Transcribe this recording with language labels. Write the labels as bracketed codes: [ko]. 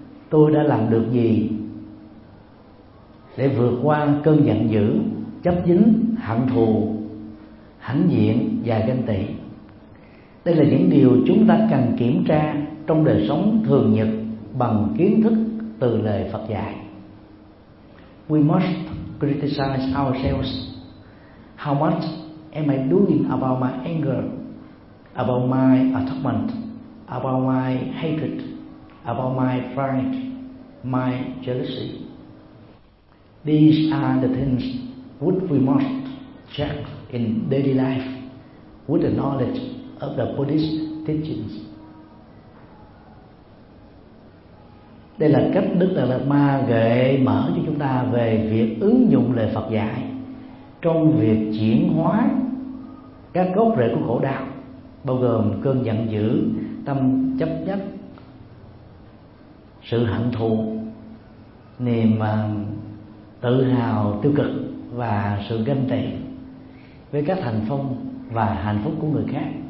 [vi] tôi đã làm được gì để vượt qua cơn giận dữ, chấp dính, hận thù, hãnh diện và ganh tị. Đây là những điều chúng ta cần kiểm tra trong đời sống thường nhật bằng kiến thức từ lời Phật dạy. [en] We must criticize ourselves. How much am I doing about my anger, about my attachment, about my hatred, about my pride, my jealousy? These are the things which we must check in daily life with the knowledge of the Buddhist teachings. [vi] Đây là cách Đức Đạt Lạt Ma gợi mở cho chúng ta về việc ứng dụng lời Phật dạy trong việc chuyển hóa các gốc rễ của khổ đau, bao gồm cơn giận dữ, tâm chấp nhất, sự hận thù, niềm tự hào tiêu cực và sự ganh tị với các thành phong và hạnh phúc của người khác.